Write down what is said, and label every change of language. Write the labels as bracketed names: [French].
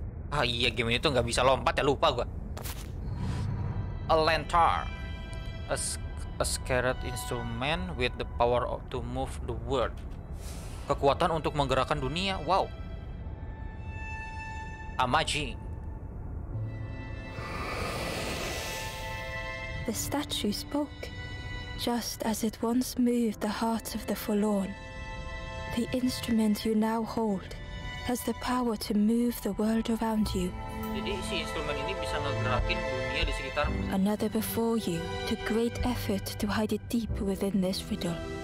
[Indonesian] Ah iya, game ini tuh nggak bisa lompat ya, lupa gua. [English] A lantern. A scared instrument with the power of to move the world. [Indonesian] Kekuatan untuk menggerakkan dunia. Wow. [English] Amazing. The statue spoke. Just as it once moved the hearts of the forlorn. The instrument you now hold has the power to move the world around you. [Indonesian] Jadi si instrumen ini bisa ngegerakin dunia di sekitarmu. [English] Another before you took great effort to hide it deep within this riddle.